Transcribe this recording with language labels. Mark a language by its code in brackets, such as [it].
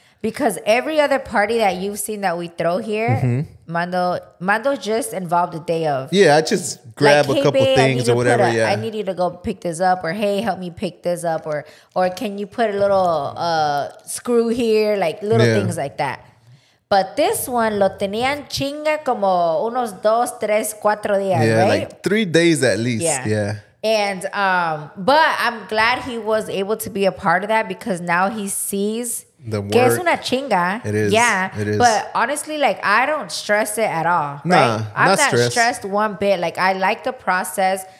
[en] Because every other party that you've seen that we throw here, mm-hmm. Mando just involved the day of. Yeah, I just grab like, a hey, couple babe, things or whatever. Yeah, I need you to go pick this up, or hey, help me pick this up, or can you put a little screw here, like little things like that. But this one, [es] lo tenían chinga como unos dos, tres, cuatro días, [en] right? Yeah, like 3 days at least. Yeah. And, but I'm glad he was able to be a part of that because now he sees the work. [es] Que es una chinga. [en] It is. Yeah. It is. But honestly, like, I don't stress it at all. Nah, right? I'm not stressed one bit. Like, I like the process.